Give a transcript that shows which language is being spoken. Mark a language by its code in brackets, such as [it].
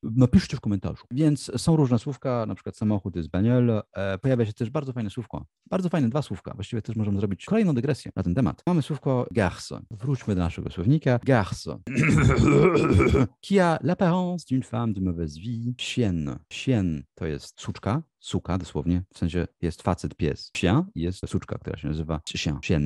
[pl] Napiszcie w komentarzu. Więc są różne słówka, na przykład samochód jest bagnole. Pojawia się też bardzo fajne słówko. Bardzo fajne dwa słówka. Właściwie też możemy zrobić kolejną dygresję na ten temat. Mamy słówko garce. Wróćmy do naszego słownika. Garce. [fr] Qui a l'apparence d'une femme de mauvaise vie. [pl] Chienne. Chienne to jest suczka. Suka, dosłownie, w sensie jest facet, pies. Sien i jest suczka, która się nazywa sien.